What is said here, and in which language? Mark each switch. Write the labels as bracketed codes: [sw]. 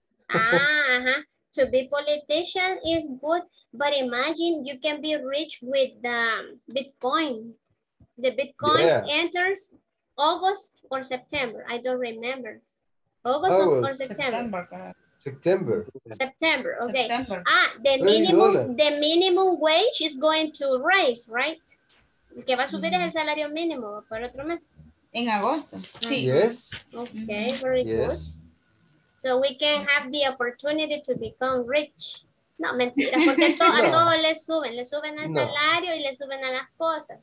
[en] To be politician is good, but imagine you can be rich with the Bitcoin. The Bitcoin enters August or September. I don't remember. August or September. September. Okay. September. The minimum wage is going to raise, right? [es] Que va a subir es el salario mínimo para otro mes. En agosto. Sí. [en] Yes. Okay, very good. So we can have the opportunity to become rich. [es] No, mentira, porque a todos les suben. Le suben al salario y le suben a las cosas.